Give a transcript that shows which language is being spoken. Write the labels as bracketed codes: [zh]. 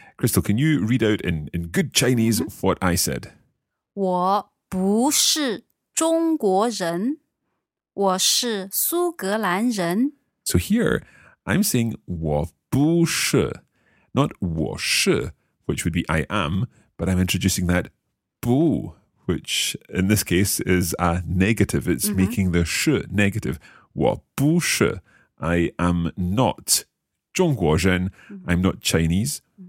[en] Crystal, can you read out in good Chinese what I said? [zh] 我不是中国人,我是苏格兰人。 [en] So here, I'm saying [zh] 我不是, [en] not [zh] 我是, [en] which would be I am, but I'm introducing that 不, which in this case is a negative. It's making the 是 negative. [zh] 我不是, [en] I am not [zh] 中国人, [en] I'm not Chinese.